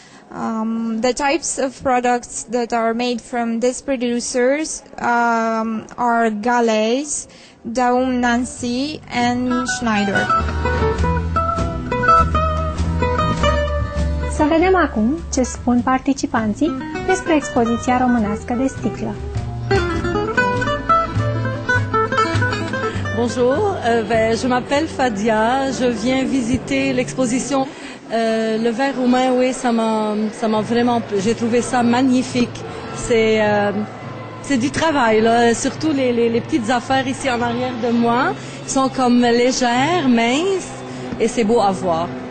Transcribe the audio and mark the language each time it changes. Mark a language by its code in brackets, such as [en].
[en] The types of products that are made from these producers are Gallet, Daum Nancy, and Schneider. [ro] Să vedem acum ce spun participanții despre expoziția românească de sticlă. [fr] Bonjour, je m'appelle Fadia, je viens visiter l'exposition. Le verre roumain, oui, ça m'a vraiment, j'ai trouvé ça magnifique. C'est du travail, là. Surtout les petites affaires ici en arrière de moi sont comme légères, minces, et c'est beau à voir.